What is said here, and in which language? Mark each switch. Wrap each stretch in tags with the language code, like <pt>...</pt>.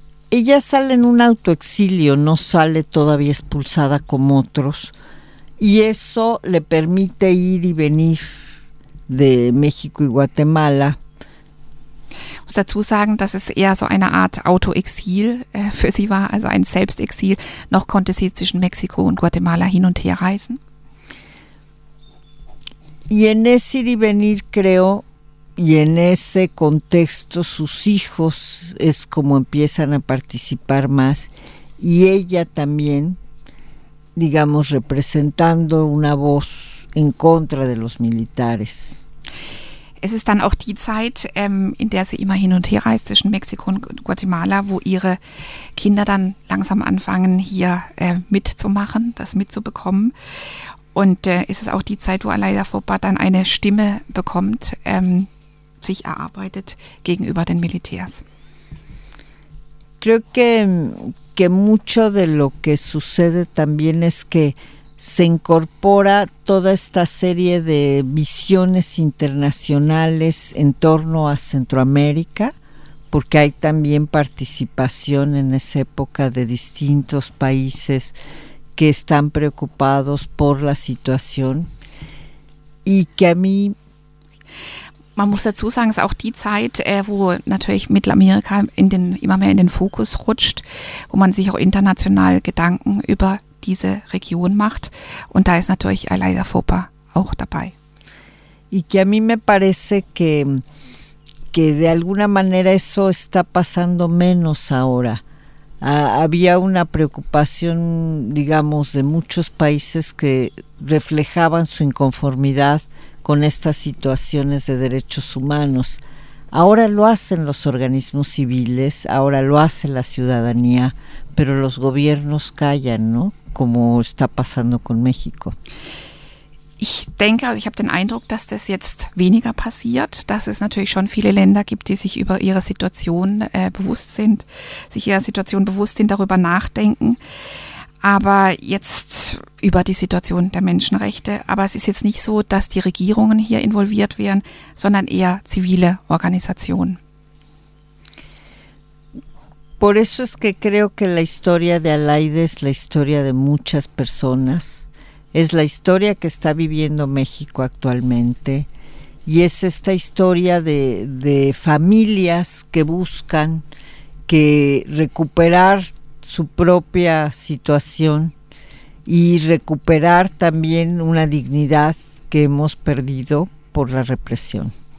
<es>Ella sale en un autoexilio, no sale todavía expulsada como otros. Y eso le permite ir y venir de México y Guatemala.</es> <de>Ich muss dazu sagen, dass es eher so eine Art Autoexil für sie war, also ein Selbstexil. Noch konnte sie zwischen Mexiko und Guatemala hin und her reisen.</de> <es>Y en ese ir y venir, creo, y en ese contexto, sus hijos es como empiezan a participar más. Y ella también, digamos, representando una voz en contra de los militares.</es> <de>Es ist dann auch die Zeit, in der sie immer hin und her reist zwischen Mexiko und Guatemala, wo ihre Kinder dann langsam anfangen, hier mitzumachen, das mitzubekommen. Und es ist auch die Zeit, wo Alaida Fopa dann eine Stimme bekommt, sich erarbeitet gegenüber den Militärs.</de> <es>Creo que mucho de lo que sucede también es que se incorpora toda esta serie de visiones internacionales en torno a Centroamérica, porque hay también participación en esa época de distintos países que están preocupados por la situación y que a mí...</es> <de>Man muss dazu sagen, es ist auch die Zeit, wo natürlich Mittelamerika immer mehr in den Fokus rutscht, wo man sich auch international Gedanken über diese Region macht. Und da ist natürlich Alaida Fopa auch dabei.</de> <es>Y que a mí me parece que de alguna manera eso está pasando menos ahora. Había una preocupación, digamos, de muchos países que reflejaban su inconformidad con estas situaciones de derechos humanos. Ahora lo hacen los organismos civiles, ahora lo hace la ciudadanía, pero los gobiernos callan, ¿no? Como está pasando con México.</es> <de>Ich denke, also ich habe den Eindruck, dass das jetzt weniger passiert, dass es natürlich schon viele Länder gibt, die sich über ihre Situation bewusst sind, sich ihrer Situation bewusst sind, darüber nachdenken. Aber jetzt über die Situation der Menschenrechte. Aber es ist jetzt nicht so, dass die Regierungen hier involviert wären, sondern eher zivile Organisationen.</de> <es>Por eso es que creo que la historia de Alaide es la historia de muchas personas. Es la historia que está viviendo México actualmente. Y es esta historia de familias que buscan que recuperar su propia situación y recuperar también una dignidad que hemos perdido por la represión.</es>